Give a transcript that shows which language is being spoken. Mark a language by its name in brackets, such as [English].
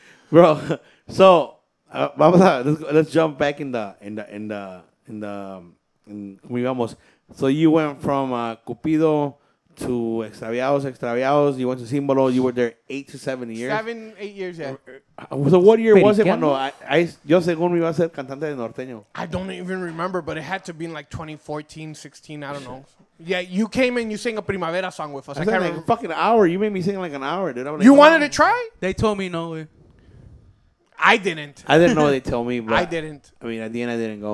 [English] Bro, so let's jump back in the So you went from Cupido to extraviados. You went to Simbolo. You were there 8 to 7 years. 7, 8 years, yeah. So what year was it? [Spanish] Bueno, yo según me iba a ser cantante de norteño. [English] I don't even remember, but it had to be in like 2014, 16. I don't know. Yeah, you came and you sang a Primavera song with us. I can't like a fucking hour. You made me sing like an hour, dude. Like, you wanted to try? They told me no. I didn't. I didn't know they told me. But I didn't. I mean, at the end, I didn't go.